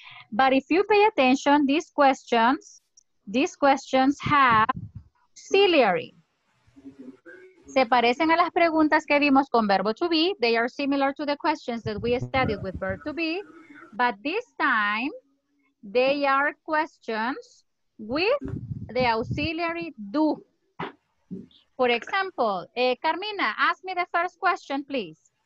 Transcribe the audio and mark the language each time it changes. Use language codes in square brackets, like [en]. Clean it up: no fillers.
[en] But if you pay attention, these questions have auxiliary. [es] Se parecen a las preguntas que vimos con verbo to be. [en] They are similar to the questions that we studied with verb to be. But this time, they are questions with the auxiliary do. For example, Carmina, ask me the first question, please.